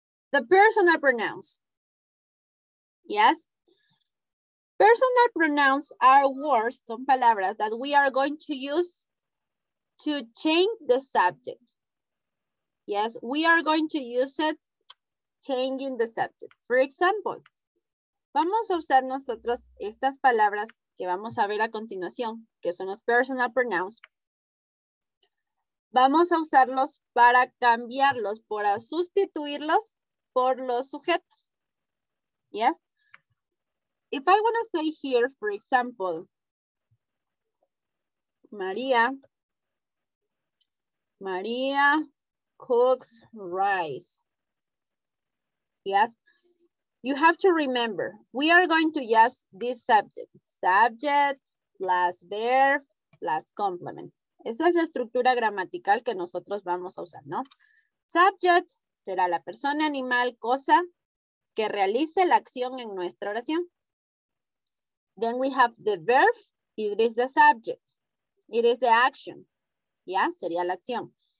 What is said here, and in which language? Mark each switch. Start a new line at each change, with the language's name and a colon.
English: The personal pronouns, yes? Personal pronouns are words, some palabras that we are going to use to change the subject. Yes, we are going to use it changing the subject. For example,
Spanish: vamos a usar nosotros estas palabras que vamos a ver a continuación, que son los personal pronouns. Vamos a usarlos para cambiarlos, para sustituirlos por los sujetos. Yes.
English: If I want to say here, for example, María cooks rice. Yes. You have to remember, we are going to use this subject. Subject plus verb plus complement.
Spanish: Esa es la estructura gramatical que nosotros vamos a usar, ¿no? Subject será la persona, animal, cosa que realice la acción en nuestra oración.
English: Then we have the verb. It is the subject. It is the action. ¿Ya?
Spanish: Sería la acción.